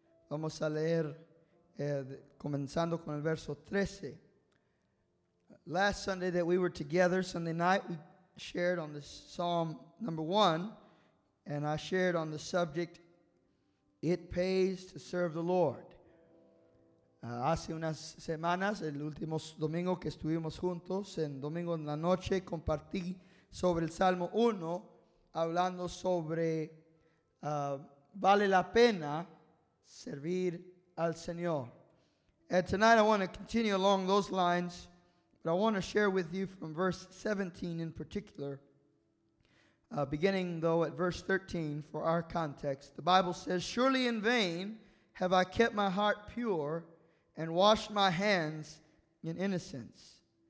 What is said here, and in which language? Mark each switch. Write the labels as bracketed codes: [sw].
[es] Vamos a leer comenzando con el verso 13. [en] Last Sunday that we were together, Sunday night, we shared on this Psalm number 1. And I shared on the subject, it pays to serve the Lord. [es] Hace unas semanas, el último domingo que estuvimos juntos, en domingo en la noche, compartí sobre el Salmo 1, hablando sobre vale la pena servir al Señor. [en] And tonight I want to continue along those lines, but I want to share with you from verse 17 in particular. Beginning, though, at verse 13 for our context, the Bible says, surely in vain have I kept my heart pure and washed my hands in innocence.